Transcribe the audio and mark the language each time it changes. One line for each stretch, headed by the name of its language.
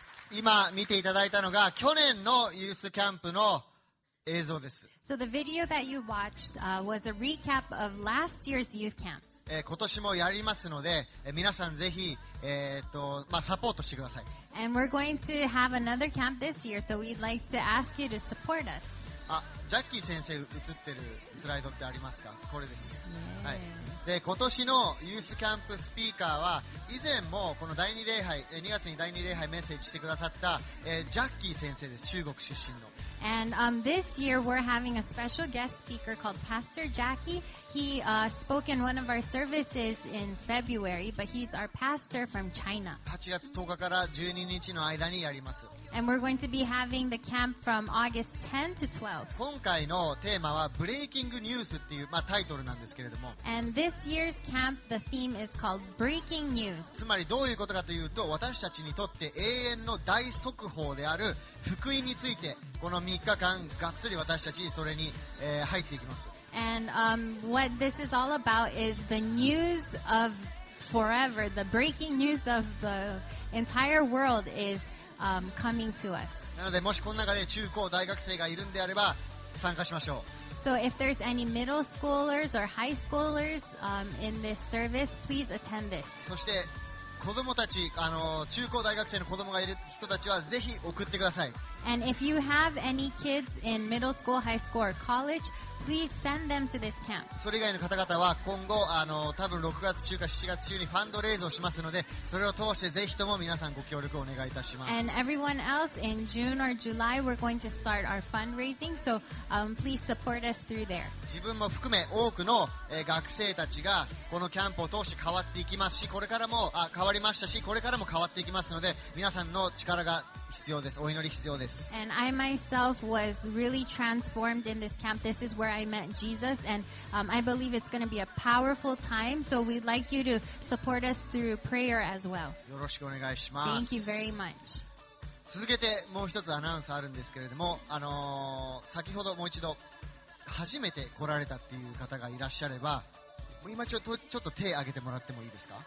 Japanese: 今見ていただいたのが去年のユースキャンプの映像です。
English: So the video that you watched, was a recap of last year's youth camp.
Japanese: 今年もやりますので、皆さんぜひ、まあ、サポートしてください。
English: And we're going to have another camp this year, so we'd like to ask you to support us.
Japanese: あ、ジャッキー先生映ってるスライドってありますか？これです。
English: Yeah.
Japanese: はい。で、今年のユースキャンプスピーカーは以前もこの第2礼拝、2月に第2礼拝メッセージしてくださった、ジャッキー先生です。中国出身の。
English: And, this year we're having a special guest speaker called Pastor Jackie. He, spoke in one of our services in February, but he's our pastor from China.
Japanese: 8月10日から12日の間にやります。
English: And we're going to be having the camp from August 10 to 12.
Japanese: 今回のテーマは Breaking News っていう、まあ、タイトルなんですけれども。
English: And this year's camp, the theme is called Breaking News.
Japanese: つまりどういうことかというと、私たちにとって永遠の大速報である福音について、この3日間がっつり私たちそれに、入っていきます。
English: And, what this is all about is the news of forever, the breaking news of the entire world is, coming to us.
Japanese: なのでもしこの中で中高大学生がいるんであれば参加しましょう。
English: So if there's any middle schoolers or high schoolers, in this service, please attend this.
Japanese: そして子供たち、中高大学生の子供がいる人たちはぜひ送ってください。
English: And if you have any kids in middle school, high school, or college, please send them to this camp.
Japanese: それ以外の方々は今後、多分6月中か7月中にファンドレイズをしますので、それを通してぜひとも皆さんご協力をお願いいたします。
English: And everyone else, in June or July, we're going to start our fundraising, so, please support us through there.
Japanese: 自分も含め多くの、学生たちがこのキャンプを通して変わっていきますし、これからも、変わりましたし、これからも変わっていきますので、皆さんの力が必要です。お祈り必要です。
English: And I myself was really transformed in this camp. This is where I met Jesus, and I believe it's going to be a powerful time. So we'd like you to support us through prayer as well.
Japanese: よろしくお願いします。
English: Thank you very much.
Japanese: 続けてもう一つアナウンスあるんですけれども、先ほどもう一度初めて来られたっていう方がいらっしゃれば。今ちょっと手を挙げてもらってもいいですか？